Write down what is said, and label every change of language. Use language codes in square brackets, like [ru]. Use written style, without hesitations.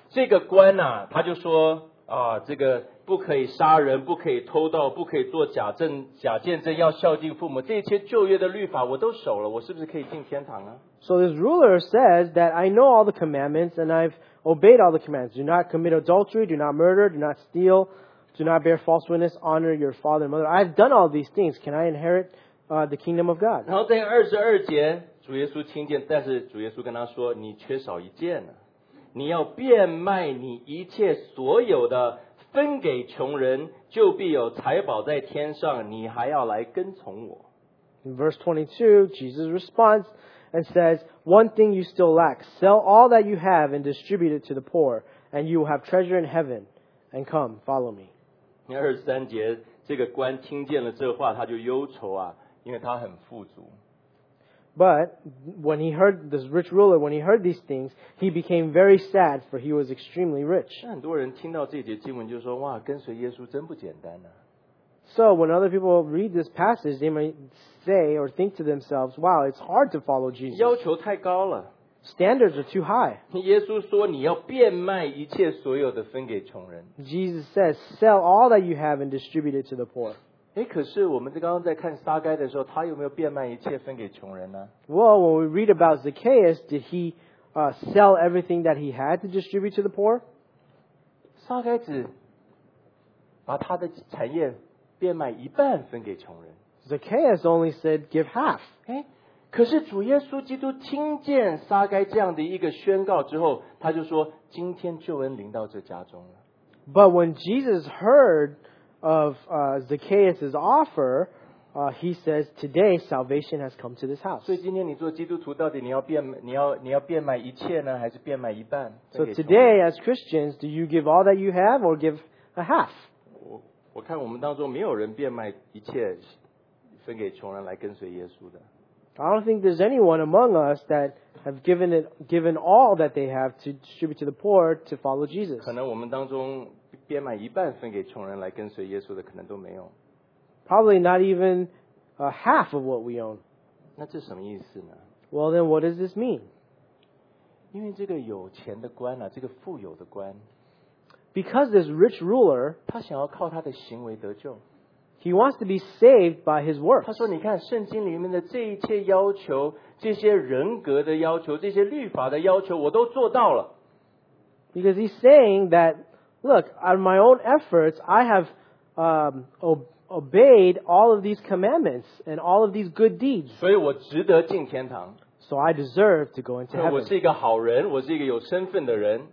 [zh] 这个官啊，他就说啊，这个不可以杀人，不可以偷盗，不可以做假见证，要孝敬父母，这些旧约的律法我都守了，我是不是可以进天堂啊？ [en] So this ruler says that I know all the commandments and I've obeyed all the commands. Do not commit adultery, do not murder, do not steal. Do not bear false witness, honor your father and mother. I've done all these things. Can I inherit the kingdom of God? [zh] 然后在二十二节，主耶稣听见，但是主耶稣跟他说，你缺少一件呢，你要变卖你一切所有的，分给穷人，就必有财宝在天上，你还要来跟从我。 [en] In verse 22, Jesus responds and says, one thing you still lack, sell all that you have and distribute it to the poor, and you will have treasure in heaven. And come, follow me. [zh] 二十三节，这个官听见了这话，他就忧愁啊，因为他很富足。 [en] But when he heard this rich ruler, when he heard these things, he became very sad, for he was extremely rich. [zh] 很多人听到这节经文就说，哇，跟随耶稣真不简单啊。 [en] So when other people read this passage, they might say or think to themselves, wow, it's hard to follow Jesus. [zh] 要求太高了。 [en] Standards are too high. [zh] 耶稣说你要变卖一切所有的分给穷人。 [en] Jesus says, sell all that you have and distribute it to the poor. [zh] 诶，可是我们刚刚在看撒该的时候，他有没有变卖一切分给穷人呢？ [en] Well, when we read about Zacchaeus, did he sell everything that he had to distribute to the poor? [zh] 撒该只把他的产业变卖一半分给穷人。 [en] Zacchaeus only said, give half. [zh] 诶，可是主耶稣基督听见撒该这样的一个宣告之后，他就说：“今天救恩临到这家中了。” [en] But when Jesus heard of Zacchaeus' offer, He says today salvation has come to this house. [zh] 所以今天你做基督徒到底你要变卖一切呢，还是变卖一半？ [en] So today as Christians, do you give all that you have or give a half? [zh] 我看我们当中没有人变卖一切分给穷人来跟随耶稣的。 [en] I don't think there's anyone among us that have given all that they have to distribute to the poor to follow Jesus. [zh] 可能我们当中变卖一半分给穷人来跟随耶稣的可能都没有。 [en] Probably not even a half of what we own. [zh] 那这什么意思呢？ [en] Well then what does this mean? [zh] 因为这个有钱的官啊，这个富有的官， [en] Because this rich ruler, [zh] 他想要靠他的行为得救。 [en] He wants to be saved by his works. [zh] 他说你看圣经里面的这一切要求，这些人格的要求，这些律法的要求，我都做到了。 [en] Because he's saying that, look, on my own efforts, I have obeyed all of these commandments and all of these good deeds. [zh] 所以我值得进天堂。 [en] So I deserve to go into heaven. [zh] 我是一个好人，我是一个有身份的人。